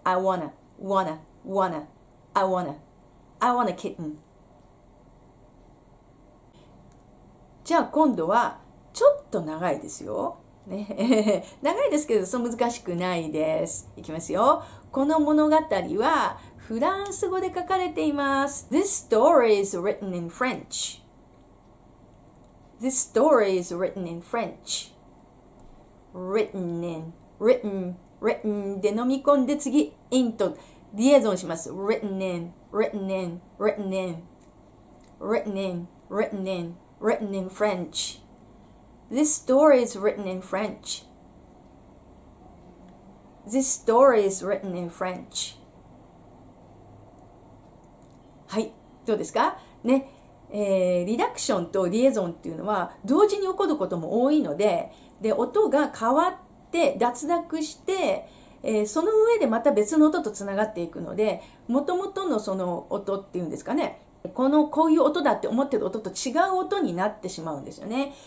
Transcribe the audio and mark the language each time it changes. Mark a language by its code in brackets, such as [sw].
[en] I wanna, wanna, wanna, I wanna, I want a kitten. [ja] じゃあ今度はちょっと長いですよ。長いですけど、そう難しくないです。いきますよ。この物語はフランス語で書かれています。 [en] This story is written in French. This story is written in French. [ja] Written in, written, written で飲み込んで次 in とリエゾンします。 [en] Written in, written in, written in, written in, written in, written in French. This story is written in French. This story is written in French. [ja] はい、どうですか？ね、リダクションとリエゾンっていうのは同時に起こることも多いので、で、音が変わって脱落して、その上でまた別の音とつながっていくので、もともとのその音っていうんですかね、このこういう音だって思ってる音と違う音になってしまうんですよね。